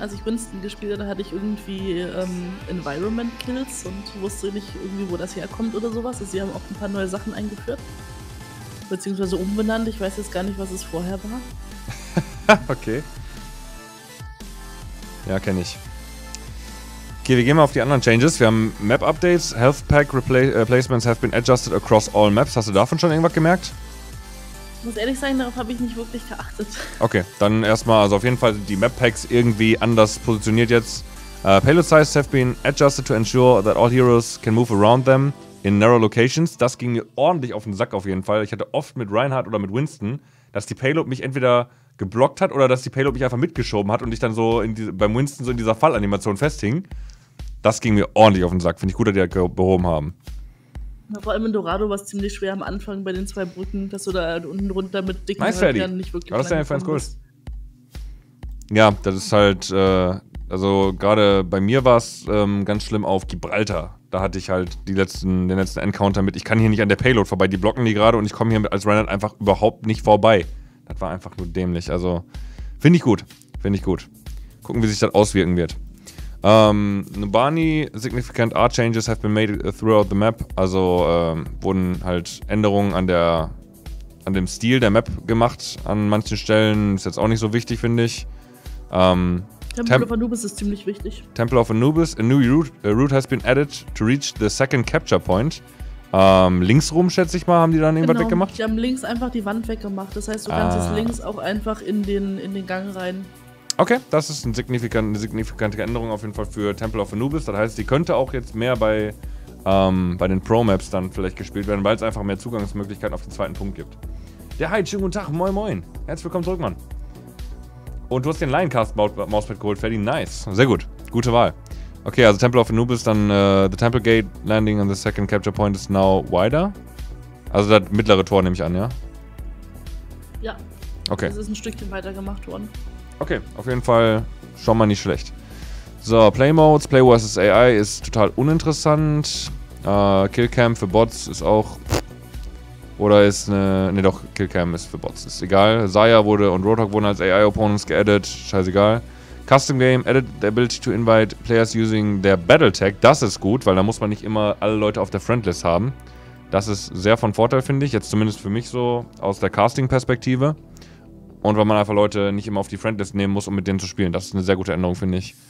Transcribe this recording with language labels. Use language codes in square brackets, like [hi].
[de] Als ich Winston gespielt habe, hatte ich irgendwie Environment Kills und wusste nicht irgendwie, wo das herkommt oder sowas. Also sie haben auch ein paar neue Sachen eingeführt. Beziehungsweise umbenannt. Ich weiß jetzt gar nicht, was es vorher war. Okay. Ja, kenne ich. Okay, wir gehen mal auf die anderen Changes. Wir haben Map Updates. [en] Health Pack Placements have been adjusted across all maps. [de] Hast du davon schon irgendwas gemerkt? Ich muss ehrlich sagen, darauf habe ich nicht wirklich geachtet. Okay, dann erstmal, also auf jeden Fall die Map-Packs irgendwie anders positioniert jetzt. [en] Payload Sizes have been adjusted to ensure that all heroes can move around them in narrow locations. [de] Das ging mir ordentlich auf den Sack auf jeden Fall. Ich hatte oft mit Reinhardt oder mit Winston, dass die Payload mich entweder geblockt hat oder dass die Payload mich einfach mitgeschoben hat und ich dann so beim Winston so in dieser Fallanimation festhing. Das ging mir ordentlich auf den Sack. Finde ich gut, dass die das behoben haben. Vor allem in Dorado war es ziemlich schwer am Anfang bei den 2 Brücken, dass du da unten runter mit dicken Nice Rädern nicht wirklich. War das denn ganz cool? Ja, das ist halt, also gerade bei mir war es ganz schlimm auf Gibraltar. Da hatte ich halt den letzten Encounter mit. Ich kann hier nicht an der Payload vorbei. Die blocken die gerade und ich komme hier als Reinhardt einfach überhaupt nicht vorbei. Das war einfach nur dämlich. Also finde ich gut. Finde ich gut. Gucken, wie sich das auswirken wird. [en] Nubani, significant art changes have been made throughout the map. [de] Also wurden halt Änderungen an dem Stil der Map gemacht an manchen Stellen. Ist jetzt auch nicht so wichtig, finde ich. Temple of Anubis ist ziemlich wichtig. [en] Temple of Anubis, a new route has been added to reach the second capture point. [de] Linksrum, schätze ich mal, haben die dann irgendwas weggemacht? Die haben links einfach die Wand weggemacht. Das heißt, du kannst jetzt links auch einfach in den Gang rein. Okay, das ist eine signifikante Änderung auf jeden Fall für Temple of Anubis. Das heißt, die könnte auch jetzt mehr bei den Pro-Maps dann vielleicht gespielt werden, weil es einfach mehr Zugangsmöglichkeiten auf den zweiten Punkt gibt. Ja, hi, schönen guten Tag, moin moin. Herzlich willkommen zurück, Mann. Und du hast den Lioncast-Mauspad geholt, Ferdi. Nice, sehr gut. Gute Wahl. Okay, also [en] Temple of Anubis, [de] dann [en] the Temple Gate landing on the second capture point is now wider. [de] Also das mittlere Tor nehme ich an, ja? Ja. Okay. Das ist ein Stückchen weiter gemacht worden. Okay, auf jeden Fall schon mal nicht schlecht. So, Play Modes, Play vs. AI ist total uninteressant. Killcam für Bots ist auch. Oder ist eine. Ne, doch, Killcam ist für Bots, ist egal. Zaya wurde und Roadhog wurden als AI-Opponents geaddet, scheißegal. [en] Custom Game, added the ability to invite players using their Battletech. [de] Das ist gut, weil da muss man nicht immer alle Leute auf der Friendlist haben. Das ist sehr von Vorteil, finde ich. Jetzt zumindest für mich so aus der Casting-Perspektive. Und weil man einfach Leute nicht immer auf die Friendlist nehmen muss, um mit denen zu spielen. Das ist eine sehr gute Änderung, finde ich.